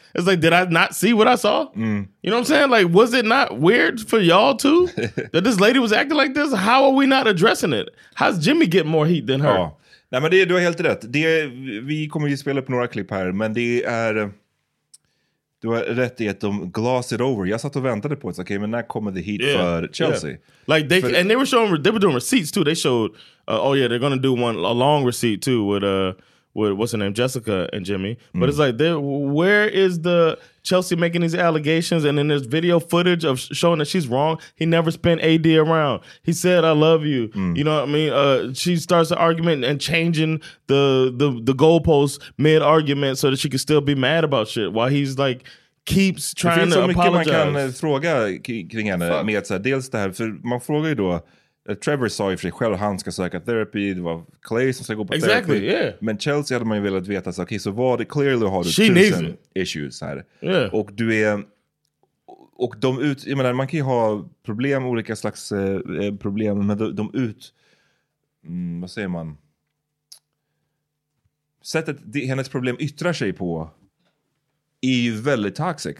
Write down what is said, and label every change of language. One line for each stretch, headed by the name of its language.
English: It's like, did I not see what I saw? You know what I'm saying? Like, was it not weird for y'all too that this lady was acting like this? How are we not addressing it? How's Jimmy getting more heat than her?
Swedish: Nej, men du har helt rätt. Det vi kommer ju spela upp några klipp här, men det är, du har rätt i att de
English: glass it over.
Swedish: Jag satt och väntade på det. Okay, men när kommer
English: the heat
Swedish: för Chelsea?
English: Yeah. Like they and they were showing, they were doing receipts too. They showed, oh yeah, they're gonna do one, a long receipt too with with, what's her name, Jessica and Jimmy. But it's like, where is the Chelsea making these allegations? And then there's video footage of showing that she's wrong. He never spent AD around. He said, I love you. You know what I mean? She starts the argument and changing the goalposts mid-argument so that she can still be mad about shit while he's like, keeps trying to apologize.
Swedish: Man kan fråga kring henne med att säga, dels det här, för man frågar ju då, Trevor sa ju för sig själv, han ska söka terapi, det var Clay som ska gå på terapi.
English: Exactly, yeah.
Swedish: Men Chelsea hade man ju velat veta, så okej, okay, så var det, clearly har du tusen issues här.
English: Yeah.
Swedish: Och du är, och de ut, jag menar, man kan ju ha problem, olika slags problem, men de ut, vad säger man, sättet hennes problem yttrar sig på är ju väldigt toxic.